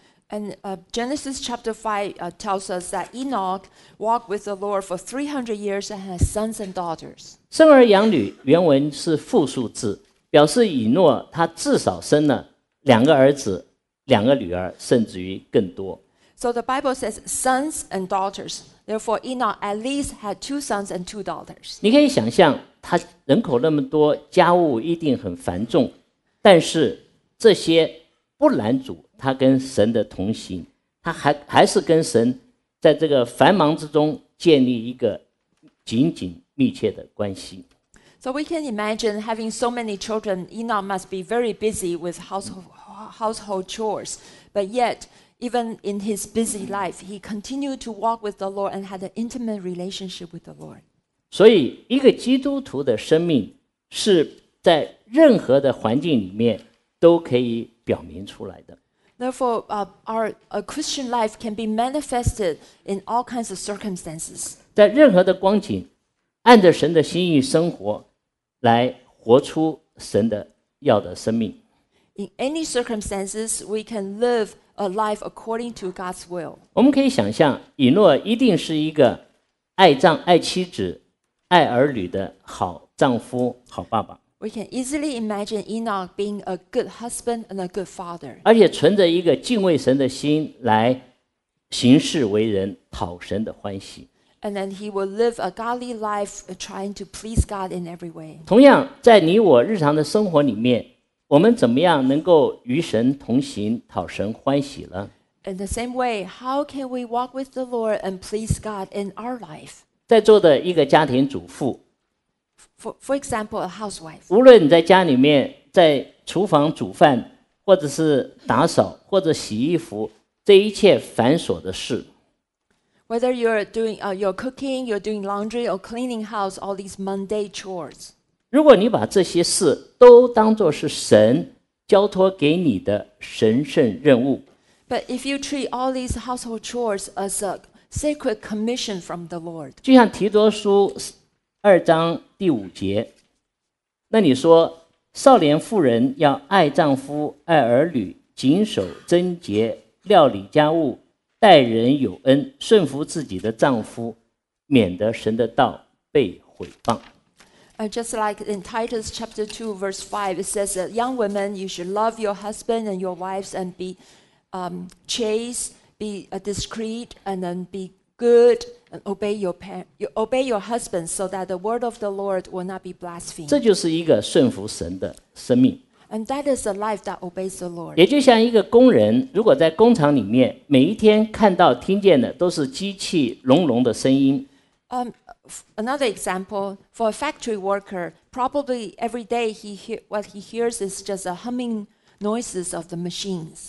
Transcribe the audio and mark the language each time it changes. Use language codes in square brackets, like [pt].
[en] And Genesis chapter 5 tells us that Enoch walked with the Lord for 300 years and had sons and daughters. [zh] 生儿养女原文是复数字，表示以诺他至少生了两个儿子。两个女儿，甚至于更多。 [en] So the Bible says sons and daughters. Therefore, Enoch at least had two sons and two daughters. [zh] 你可以想象，他人口那么多，家务一定很繁重，但是这些不拦阻他跟神的同行，他还是跟神在这个繁忙之中建立一个紧紧密切的关系。 [en] So we can imagine having so many children, Enoch must be very busy with household chores. But yet, even in his busy life, he continued to walk with the Lord and had an intimate relationship with the Lord. [zh] 所以一个基督徒的生命是在任何的环境里面都可以表明出来的。 [en] Therefore, our Christian life can be manifested in all kinds of circumstances. [zh] 在任何的光景按着神的心意生活，来活出神的要的生命。 [en] In any circumstances, we can live a life according to God's will. [zh] 我们可以想象，以诺一定是一个爱丈、爱妻子、爱儿女的好丈夫、好爸爸。 [en] We can easily imagine Enoch being a good husband and a good father. [zh] 而且存着一个敬畏神的心来行事为人，讨神的欢喜。 [en] And then he will live a godly life, trying to please God in every way. [zh] 同样，在你我日常的生活里面，我们怎么样能够与神同行，讨神欢喜呢 [en] ？In the same way, how can we walk with the Lord and please God in our life? [zh] 在座的一个家庭主妇 [en] ，For example, a housewife. [zh] 无论你在家里面，在厨房煮饭，或者是打扫，或者洗衣服，这一切繁琐的事。 [en] Whether you're doing your cooking, you're doing laundry or cleaning house, all these mundane chores. [zh] 如果你把这些事都当作是神交托给你的神圣任务 [en] ，But if you treat all these household chores as a sacred commission from the Lord, [zh] 就像提多书二章第五节，那你说少年妇人要爱丈夫、爱儿女，谨守贞洁，料理家务。待人有恩，顺服自己的丈夫，免得神的道被毁谤。 [en] Just like in Titus chapter 2 verse 5, it says that young women, you should love your husband and your wives and be chaste, be discreet, and then be good and obey your husband, so that the word of the Lord will not be blasphemed. [zh] 这就是一个顺服神的生命。 [en] And that is a life that obeys the Lord. [zh] 也就像一个工人，如果在工厂里面，每一天看到、听见的都是机器隆隆的声音。 [en] Another example for a factory worker, probably every day what he hears is just the humming noises of the machines.